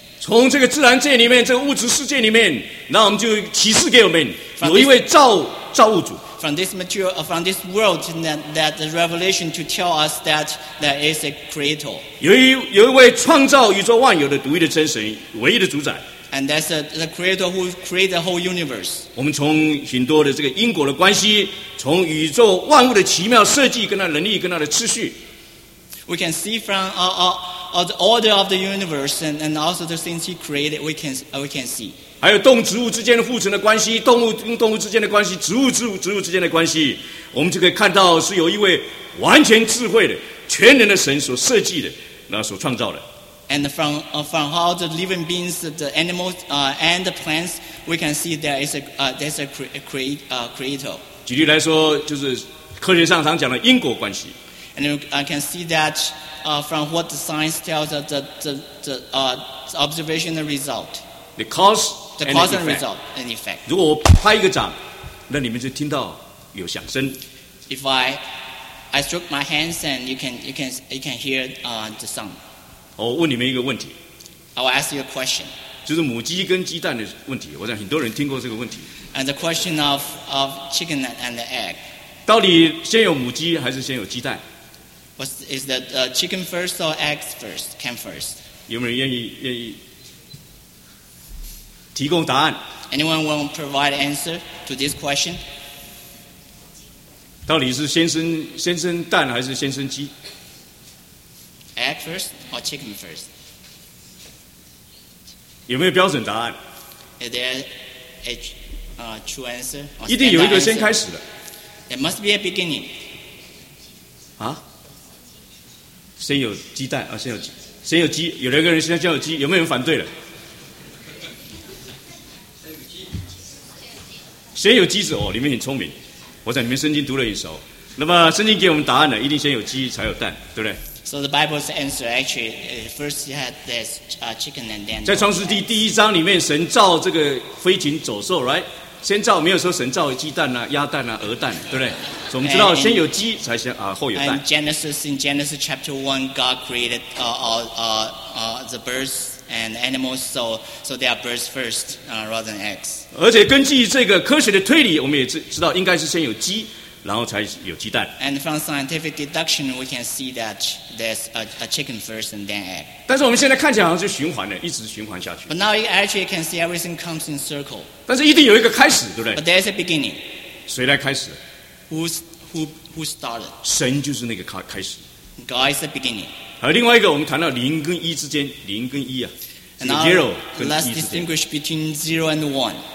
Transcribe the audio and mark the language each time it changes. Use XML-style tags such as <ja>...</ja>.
<zh>从这个自然界里面，这个物质世界里面，那我们就启示给我们有一位造物主。</zh> <en>From this material, from this world, that the revelation to tell us that there is a creator.</en> <zh>有一位创造宇宙万有的独一的真神，唯一的主宰。</zh> <en>And that's the creator who created the whole universe.</en> <zh>我们从很多的这个因果的关系，从宇宙万物的奇妙设计跟它能力跟它的秩序。</zh> <en>We can see from the order of the universe and also the things he created, we can see.</en> <zh>还有动植物之间的互存的关系，动物跟动物之间的关系，植物之间的关系，我们就可以看到是有一位完全智慧的全能的神所设计的，那所创造的。</zh> <en>And from how the living beings, the animals, and the plants, we can see there's a creator.</en> <zh>举例来说，就是科学上常讲的因果关系。</zh> <en>And I can see that from what the science tells us, the observation and result. The cause, the cause and result and effect.</en> <zh>如果我拍一个掌，那你们就听到有响声。</zh> <en>If I stroke my hands, and you can hear the sound.</en> <zh>我问你们一个问题。</zh> <en>I will ask you a question.</en> <zh>就是母鸡跟鸡蛋的问题，我想很多人听过这个问题。</zh> <en>And the question of chicken and the egg.</en> <zh>到底先有母鸡还是先有鸡蛋？</zh> <en>Is that chicken first or eggs first? Came first?</en> <zh>有没有愿意提供答案</zh> <en>？Anyone want to provide answer to this question?</en> <zh>到底是先生蛋还是先生鸡</zh> <en>？Egg first or chicken first?</en> <zh>有没有标准答案</zh> <en>？Is there a true answer?</en> <zh>一定有一个先开始的。</zh> <en>There must be a beginning. 啊？</en> <zh>先有鸡蛋啊，先有鸡，有两个人先有鸡，有没有人反对了？先有鸡子哦，你们很聪明，我想你们圣经读得很熟。那么圣经给我们答案呢，一定先有鸡才有蛋，对不对</zh> <en>So the Bible's answer actually, first you had this chicken and then.</en> <zh>在创世纪第一章里面，神造这个飞禽走兽 ，</zh> <en>right？</en> <zh>先造没有说神造鸡蛋啊、鸭蛋啊、鹅蛋，对不对？我们知道先有鸡才先啊，后有蛋。</zh> <en>In Genesis chapter 1, God created the birds and animals, so they are birds first, rather than eggs.</en> <zh>而且根据这个科学的推理，我们也知道应该是先有鸡，然后才有鸡蛋。</zh> <en>And from scientific deduction, we can see that there's a chicken first and then egg.</en> <zh>但是我们现在看起来好像是循环的，一直循环下去。</zh> <en>But now you actually can see everything comes in circle.</en> <zh>但是一定有一个开始，对不对</zh> <en>？But there's a beginning.</en> <zh>谁来开始</zh> <en>？Who started?</en> <zh>神就是那个开始。</zh> <en>God is the beginning.</en> <zh>还有另外一个，我们谈到零跟一之间，零跟一啊</zh> <en>，zero</en> <zh>跟一之间。</zh> <en>Let's distinguish between zero and one.</en>